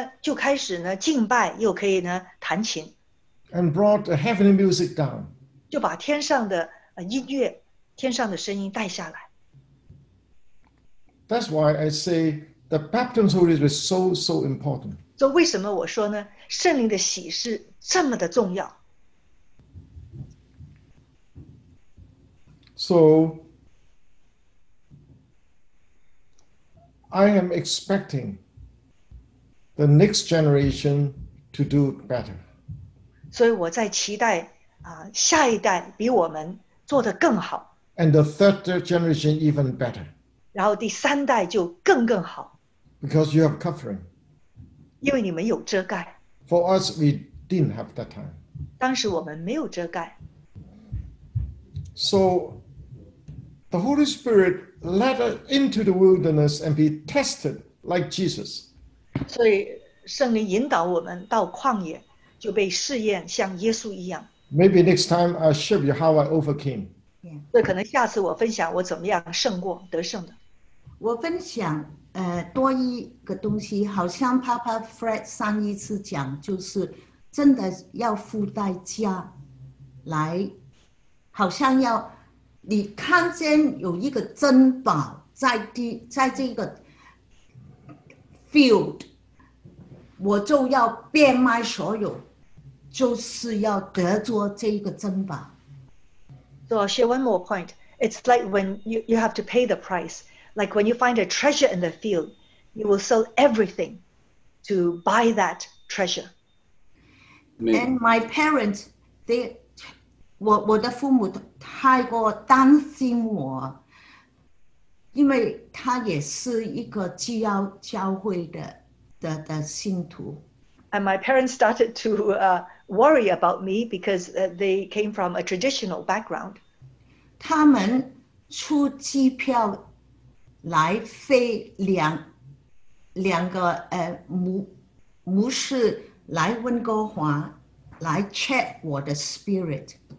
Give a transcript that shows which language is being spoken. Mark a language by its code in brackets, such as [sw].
[zh] 然后我就看见他呢，进入灵里，然后呢就开始呢敬拜，又可以呢弹琴。 [en] And brought the heavenly music down. [zh] 就把天上的音乐，天上的声音带下来。 [en] That's why I say the baptism of the Holy Spirit is so important. [zh] 所以为什么我说呢，圣灵的洗是这么的重要。 [en] So, I am expecting the next generation to do better. [zh] 所以我在期待, 下一代比我们做得更好。 [en] And the third generation even better. [zh] 然后第三代就更好。 [en] Because you have covering. [zh] 因为你们有遮盖。 [en] For us, we didn't have that time. [zh] 当时我们没有遮盖。 [en] So, the Holy Spirit led us into the wilderness and be tested like Jesus. [zh] 所以圣灵引导我们到旷野, 就被试验像耶稣一样。 [en] Maybe next time I'll show you how I overcame. [zh] 所以可能下次我分享我怎么样胜过得胜的。我分享多一个东西, 好像Papa Fred上一次讲, 就是真的要付代价来, 好像要 你看见有一个珍宝在这个 field， 我就要变卖所有，就是要得着这个珍宝。So [en] share one more point. It's like when you have to pay the price. Like when you find a treasure in the field, you will sell everything to buy that treasure. And my parents, they. [zh] 我的父母太过担心我，因为他也是一个基督教会的信徒。 [en] And my parents started to worry about me because they came from a traditional background. [zh] 他们出机票来飞两个牧师来温哥华来check我的 spirit.